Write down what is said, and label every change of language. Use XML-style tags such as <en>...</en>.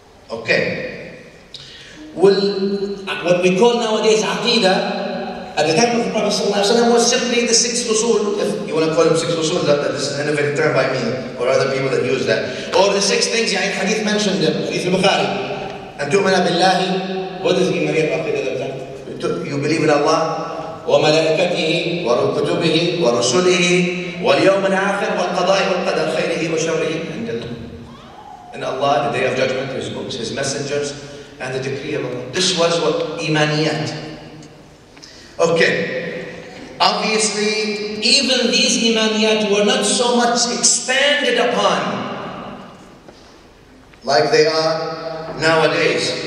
<en>Okay. What we call nowadays aqidah, at the time of the Prophet</en> <ar>صلى الله عليه وسلم,</ar> <en>was simply the six usul. If you want to call them six usul, that is an innovative term by me or other people that use that. Or the six things, yeah, hadith mentioned them, hadith al-Bukhari. And tu'mana billahi, what is the Maryam aqidah at that time? You believe in Allah.</en> <ar>وملائكته وكتبه ورسله واليوم الآخر والقضاء والقدر خيره وشره عند الله.</ar> <en>In Allah, the day of judgment, his books, his messengers, and the decree of Allah. This was what إيمانيات. Okay. Obviously, even these إيمانيات were not so much expanded upon like they are nowadays.</en>